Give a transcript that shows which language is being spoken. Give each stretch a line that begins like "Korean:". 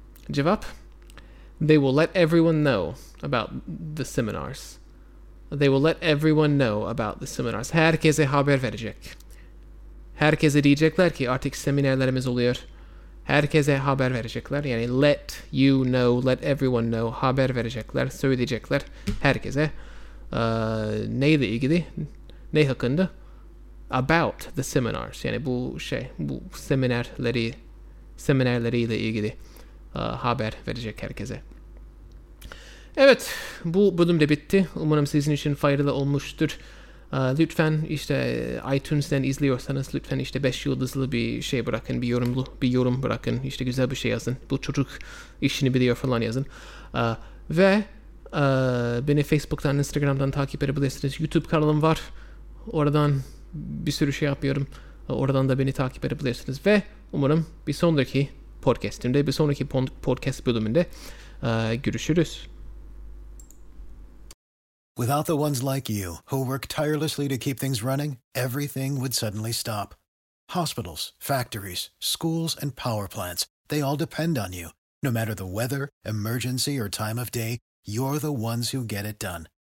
Turkish: Cevap,
English: they will let everyone know about the seminars. They will let everyone know about the seminars.
Turkish: Herkese haber verecek. Herkese diyecekler ki artık seminerlerimiz oluyor. Herkese haber verecekler. Yani
English: let you know, let everyone know.
Turkish: Haber verecekler, söyleyecekler herkese. Neyle ilgili? Ne hakkında?
English: About the seminars.
Turkish: Yani bu şey, bu seminerleriyle ilgili haber verecek herkese. Evet, bu bölüm de bitti. Umarım sizin için faydalı olmuştur. Lütfen işte iTunes'den izliyorsanız lütfen işte 5 yıldızlı bir şey bırakın, bir yorum bırakın. İşte güzel bir şey yazın. Bu çocuk işini biliyor falan yazın. Ve beni Facebook'tan, Instagram'dan takip edebilirsiniz. YouTube kanalım var. oradan bir sürü şey yapıyorum. Oradan da beni takip edebilirsiniz ve umarım bir sonraki podcastimde, bir sonraki podcast bölümünde görüşürüz.
English: Without the ones like you, who work tirelessly to keep things running, everything would suddenly stop. Hospitals, factories, schools, and power plants, they all depend on you. No matter the weather, emergency, or time of day, you're the ones who get it done.